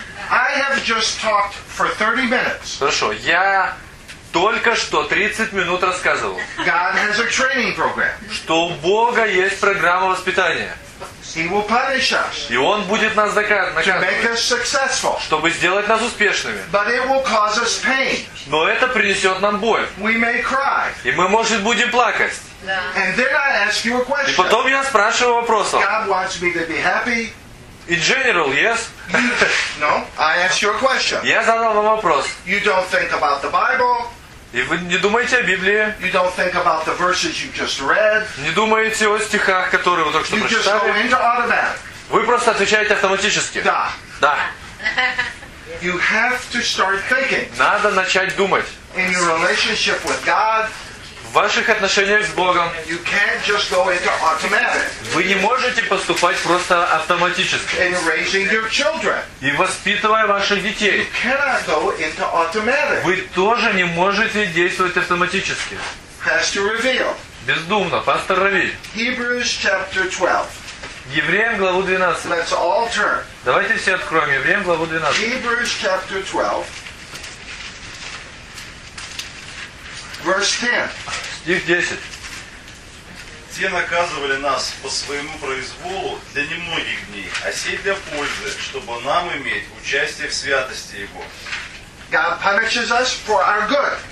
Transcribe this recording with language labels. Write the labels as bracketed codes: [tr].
[en] I have just talked for 30 minutes. [ru] Хорошо, я только что 30 минут рассказывал, [en] God has a training program. [ru] Что у Бога есть программа воспитания. [en] He will punish us. [ru] И Он будет нас наказывать, [en] to make us successful. [ru] Чтобы сделать нас успешными. [en] But it will cause us pain. [ru] Но это принесет нам боль. [en] We may cry. [ru] И мы, может, будем плакать. [en] Yeah. And then I ask you a question. [ru] И потом я спрашиваю вопрос. [en] God wants me to be happy. In general, yes. No, I ask you a question. [ru] Я задал вам вопрос. [en] You don't think about the Bible. [ru] И вы не думаете о Библии. [en] You don't think about the verses you just read. [ru] Не думаете о стихах, которые вы только что прочитали. [en] You just go into automatic. [ru] Вы просто отвечаете автоматически. Да. Да. [en] You have to start thinking. [ru] Надо начать думать. [en] In your relationship with God. [ru] В ваших отношениях с Богом. [en] You can't just go into automatic. [ru] Вы не можете поступать просто автоматически. [en] In raising your children. [ru] И воспитывая ваших детей. [en] You cannot go into automatic. [ru] Вы тоже не можете действовать автоматически. [en] Pastor Revil. [ru] Бездумно, пастор Равиль. [en] Hebrews chapter 12. [ru] Евреям главу 12. [en] Let's all turn. [ru] Давайте все откроем Евреям главу 12. [en] Hebrews chapter 12. [ru] Стих 10. Те наказывали нас по своему произволу для немногих дней, а сей для пользы, чтобы нам иметь участие в святости Его. [en] God punishes us for our good.